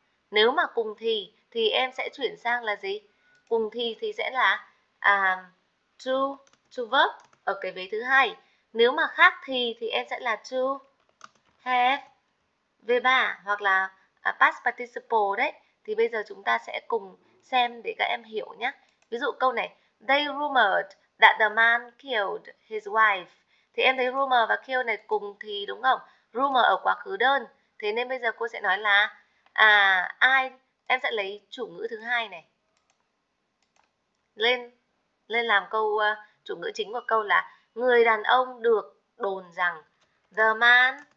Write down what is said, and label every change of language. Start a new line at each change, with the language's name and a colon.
Vietnamese: Nếu mà cùng thì em sẽ chuyển sang là gì? Cùng thì sẽ là to verb ở cái vế thứ hai. Nếu mà khác thì em sẽ là to have V3 hoặc là past participle đấy. Thì bây giờ chúng ta sẽ cùng xem để các em hiểu nhé.
English: Ví dụ câu này: They rumored that the man killed his wife.
Vietnamese: Thì em thấy rumor và kill này cùng thì đúng không? Rumor ở quá khứ đơn. Thế nên bây giờ cô sẽ nói là ai, em sẽ lấy chủ ngữ thứ hai này lên lên làm câu chủ ngữ chính của câu là người đàn ông được đồn rằng, the man.